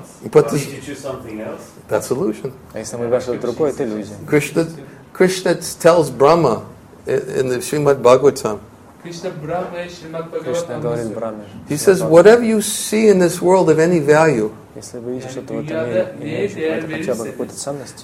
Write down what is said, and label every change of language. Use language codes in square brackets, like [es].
[en] But this, that's illusion. [ru] А если мы выбираем что-то другое, это иллюзия. [en] Krishna, Krishna tells Brahma in the Srimad Bhagavatam. [ru] Krishna говорит Браме. [en] He says, whatever you see in this world of any value, [ru] если вы видите что-то в этом мире, имеющее хотя бы какую-то ценность,